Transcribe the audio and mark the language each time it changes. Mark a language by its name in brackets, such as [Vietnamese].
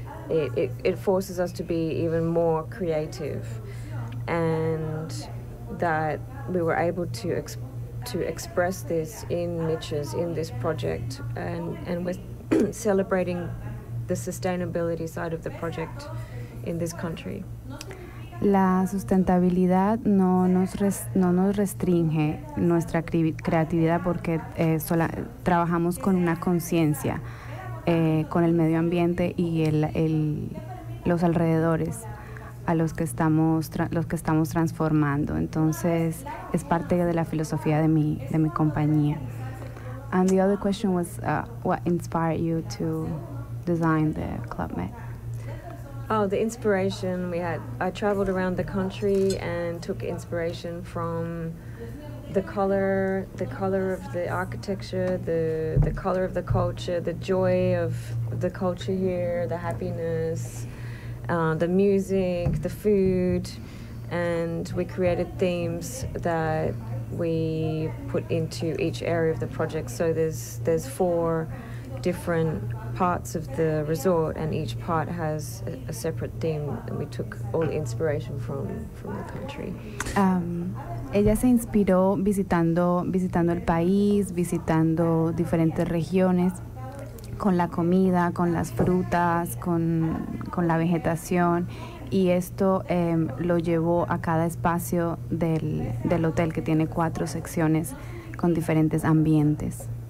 [English] It forces us to be even more creative, and that we were able to express this in Miches, in this project, and we're celebrating the sustainability side of the project in this country. [Spanish] La sustentabilidad no nos restringe nuestra creatividad, porque trabajamos con una conciencia. Con el medio ambiente y los alrededores a los que estamos transformando. Entonces, es parte de la filosofía de mi compañía. [English] And the other question was, what inspired you to design the Club Med? Oh, the inspiration I traveled around the country and took inspiration from the color of the architecture, the color of the culture, the joy of the culture here, the happiness, the music, the food, and we created themes that we put into each area of the project. So there's 4 different parts of the resort, and each part has a separate theme, and we took all the inspiration from the country. [Spanish] Ella se inspiró visitando el país, visitando diferentes regiones, con la comida, con las frutas, con la vegetación, y esto lo llevó a cada espacio del hotel, que tiene 4 secciones con diferentes ambientes.